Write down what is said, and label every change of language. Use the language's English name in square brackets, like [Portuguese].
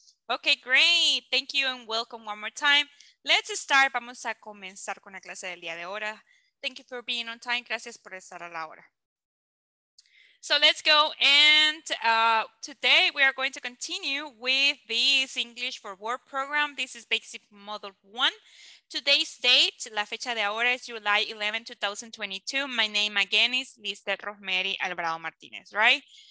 [English] Okay, great, thank you, and welcome one more time. Let's start, [Spanish] vamos a comenzar con la clase del día de ahora. [English] Thank you for being on time. [Spanish] Gracias por estar a la hora. [English] So let's go. And today we are going to continue with this English for Work program. This is Basic Module 1. Today's date, [Spanish] la fecha de ahora, [English] is July 11, 2022. My name again is Lizeth Rosemary Alvarado Martinez, right?